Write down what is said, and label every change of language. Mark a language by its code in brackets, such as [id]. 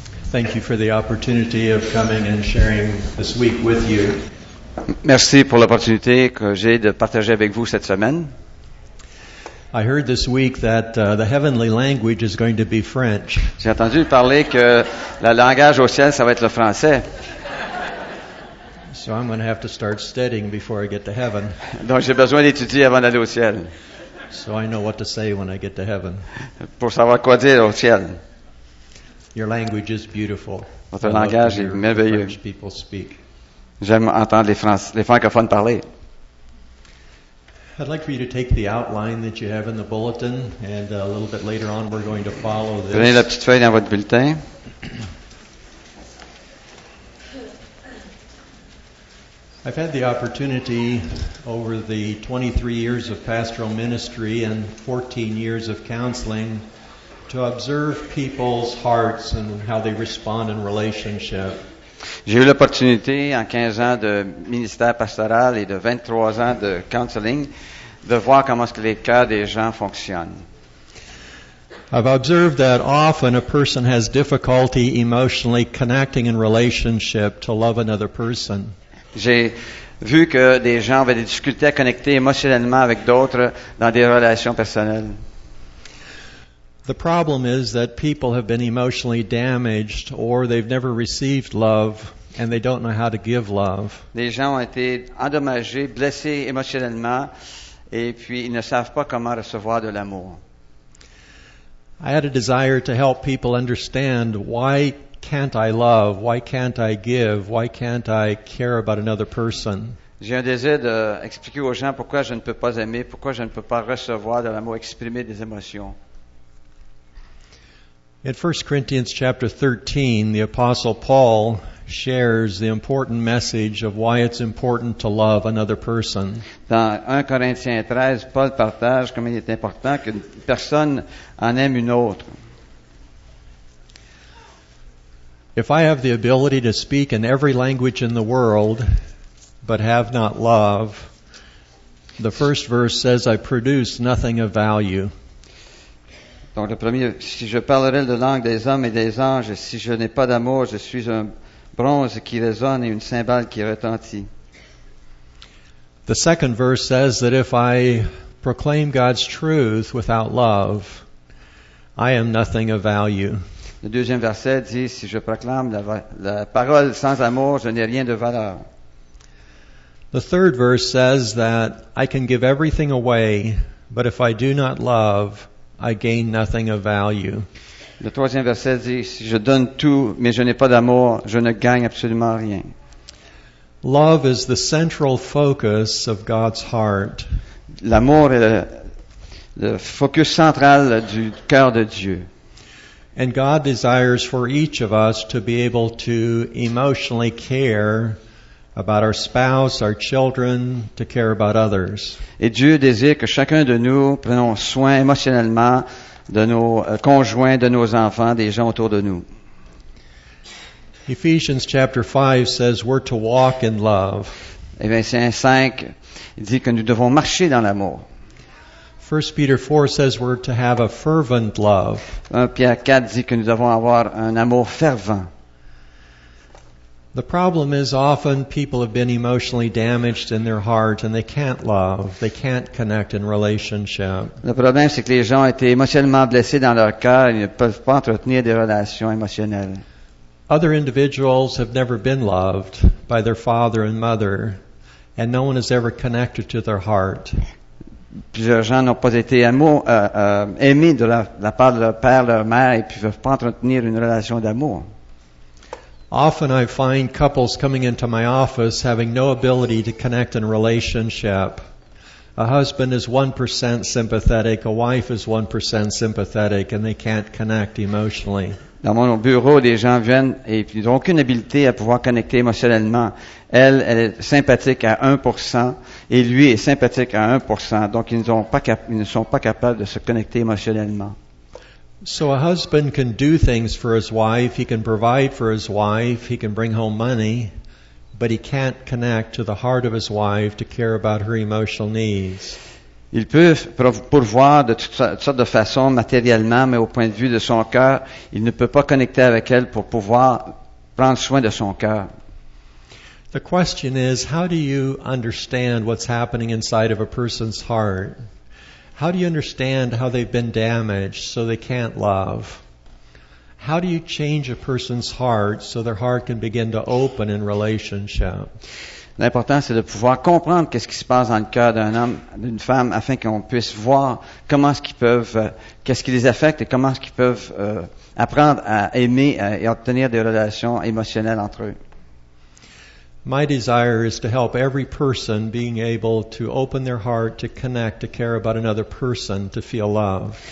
[en] Thank you for the opportunity of coming and sharing this week with you. [fr] Merci pour l'opportunité que j'ai de partager avec vous cette semaine. [en] I heard this week that the heavenly language is going to be French. [fr] J'ai entendu parler que le langage au ciel, ça va être le français. [en] So I'm going to have to start studying before I get to heaven. [fr] Donc j'ai besoin d'étudier avant d'aller au ciel. [en] So I know what to say when I get to heaven. [fr] Pour savoir quoi dire au ciel. [en] Your language is beautiful. [fr] Votre langage est merveilleux. [en] French people speak. [fr] J'aime entendre les francophones parler. [en] I'd like for you to take the outline that you have in the bulletin, and a little bit later on we're going to follow this. [fr] Prenez la petite feuille dans votre bulletin. [en] I've had the opportunity over the 23 years of pastoral ministry and 14 years of counseling to observe people's hearts and how they respond in relationship. [fr] J'ai eu l'opportunité en 15 ans de ministère pastoral et de 23 ans de counseling de voir comment est-ce que les cœurs des gens fonctionnent. [en] I've observed that often a person has difficulty emotionally connecting in relationship to love another person. [fr] J'ai vu que des gens avaient des difficultés à connecter émotionnellement avec d'autres dans des relations personnelles. [en] The problem is that people have been emotionally damaged or they've never received love and they don't know how to give love. [fr] Les gens ont été endommagés, blessés émotionnellement et puis ils ne savent pas comment recevoir de l'amour. [en] I had a desire to help people understand why can't I love, why can't I give, why can't I care about another person. [fr] J'ai un désir d'expliquer aux gens pourquoi je ne peux pas aimer, pourquoi je ne peux pas recevoir de l'amour, exprimer des émotions. [en] In 1 Corinthians chapter 13, the Apostle Paul shares the important message of why it's important to love another person. [fr] Dans 1 Corinthiens 13, Paul partage comment il est important qu'une personne en aime une autre. [en] If I have the ability to speak in every language in the world, but have not love, the first verse says I produce nothing of value. [fr] Donc le premier, si je parlerai la langue des hommes et des anges, si je n'ai pas d'amour, je suis un bronze qui résonne et une cymbale qui retentit. [en] The second verse says that if I proclaim God's truth without love, I am nothing of value. [fr] Le deuxième verset dit, si je proclame la parole sans amour, je n'ai rien de valeur. [en] The third verse says that I can give everything away, but if I do not love, I gain nothing of value. [fr] Le troisième verset dit, si je donne tout, mais je n'ai pas d'amour, je ne gagne absolument rien. [en] Love is the central focus of God's heart. [fr] L'amour est le focus central du cœur de Dieu. [en] And God desires for each of us to be able to emotionally care about our spouse, our children, to care about others. [fr] Et Dieu désire que chacun de nous prenons soin émotionnellement de nos conjoints, de nos enfants, des gens autour de nous. [en] Ephesians chapter 5 says we're to walk in love. [fr] Éphésiens 5 dit que nous devons marcher dans l'amour. [en] 1 Peter 4 says we're to have a fervent love. [fr] 1 Pierre 4 dit que nous devons avoir un amour fervent. [en] The problem is often people have been emotionally damaged in their heart and they can't love, they can't connect in relationship. [fr] Le problème c'est que les gens ont été émotionnellement blessés dans leur cœur et ils ne peuvent pas entretenir des relations émotionnelles. [en] Other individuals have never been loved by their father and mother and no one has ever connected to their heart. [fr] Plusieurs gens n'ont pas été aimés de la part de leur père, leur mère et puis ne peuvent pas entretenir une relation d'amour. [en] Often I find couples coming into my office having no ability to connect in relationship. A husband is 1% sympathetic, a wife is 1% sympathetic, and they can't connect emotionally. [fr] Dans mon bureau, des gens viennent et ils n'ont aucune habileté à pouvoir connecter émotionnellement. Elle est sympathique à 1% et lui est sympathique à 1%, donc ils ne sont pas capables de se connecter émotionnellement. [en] So a husband can do things for his wife, he can provide for his wife, he can bring home money, but he can't connect to the heart of his wife to care about her emotional needs. [fr] Il peut pourvoir de toutes sortes de façons matériellement, mais au point de vue de son cœur, il ne peut pas connecter avec elle pour pouvoir prendre soin de son cœur. [en] The question is, how do you understand what's happening inside of a person's heart? How do you understand how they've been damaged so they can't love? How do you change a person's heart so their heart can begin to open in relationship? [fr] L'important, c'est de pouvoir comprendre qu'est-ce qui se passe dans le cœur d'un homme, d'une femme, afin qu'on puisse voir comment est-ce qu'ils peuvent, qu'est-ce qui les affecte et comment est-ce qu'ils peuvent apprendre à aimer et obtenir des relations émotionnelles entre eux. [en] My desire is to help every person being able to open their heart to connect, to care about another person, to feel love.